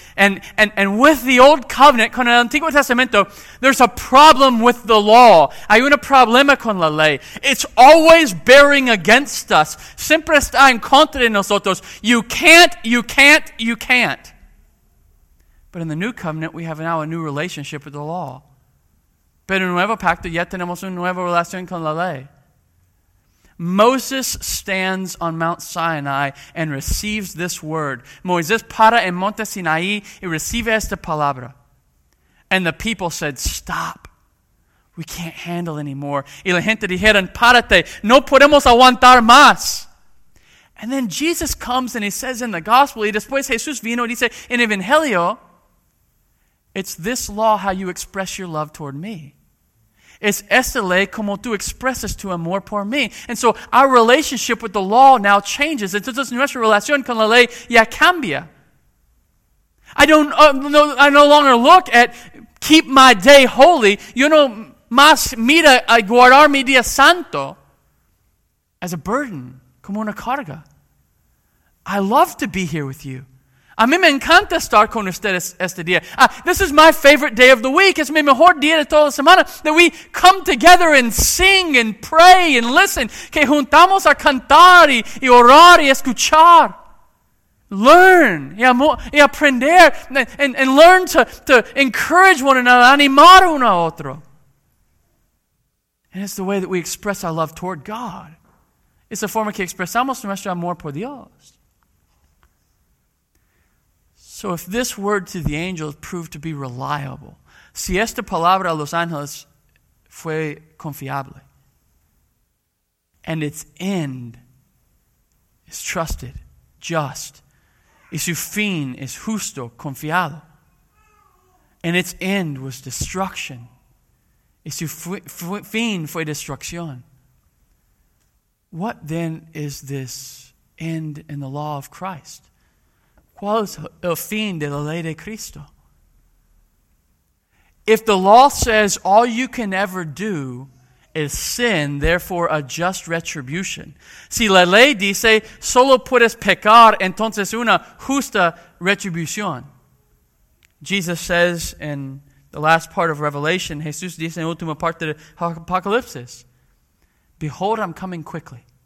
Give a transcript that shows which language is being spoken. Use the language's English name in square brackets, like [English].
[English] And with the old covenant, [Spanish] con el Antiguo Testamento, [English] there's a problem with the law. [Spanish] Hay un problema con la ley. [English] It's always bearing against us. [Spanish] Siempre está en contra de nosotros. [English] You can't, you can't, you can't. But in the new covenant, we have now a new relationship with the law. [Spanish] Pero en nuevo pacto, ya tenemos una nueva relación con la ley. [English] Moses stands on Mount Sinai and receives this word. [Spanish] Moisés para en Monte Sinaí y recibe esta palabra. [English] And the people said, stop. We can't handle anymore. [Spanish] Y la gente dijeron, párate. No podemos aguantar más. [English] And then Jesus comes and he says in the gospel, [Spanish] y después Jesús vino y dice, en Evangelio, [English] it's this law how you express your love toward me. [Spanish] Es esta ley como tú expresas tu amor por mí. [English] And so our relationship with the law now changes. [Spanish] Entonces nuestra relación con la ley ya cambia. [English] I no longer look at keep my day holy. [Spanish] Yo no más mira a guardar mi día santo [English] as a burden, [Spanish] como una carga. [English] I love to be here with you. [Spanish] A mí me encanta estar con ustedes este día. [English] This is my favorite day of the week. [Spanish] Es mi mejor día de toda la semana. [English] That we come together and sing and pray and listen. [Spanish] Que juntamos a cantar y orar y escuchar. [English] Learn [Spanish] y aprender. [English] And learn to encourage one another, [Spanish] animar uno a otro. [English] And it's the way that we express our love toward God. [Spanish] Es la forma que expresamos nuestro amor por Dios. [English] So if this word to the angels proved to be reliable, [Spanish] si esta palabra a los ángeles fue confiable, [English] and its end is trusted, just, [Spanish] y su fin es justo, confiado, [English] and its end was destruction, [Spanish] y su fin fue destrucción, [English] what then is this end in the law of Christ? [Spanish] ¿Cuál es el fin de la ley de Cristo? [English] If the law says all you can ever do is sin, therefore a just retribution. [Spanish] Si la ley dice, solo puedes pecar, entonces una justa retribución. [English] Jesus says in the last part of Revelation, [Spanish] Jesús dice en la última parte de Apocalipsis, [English] behold, I'm coming quickly.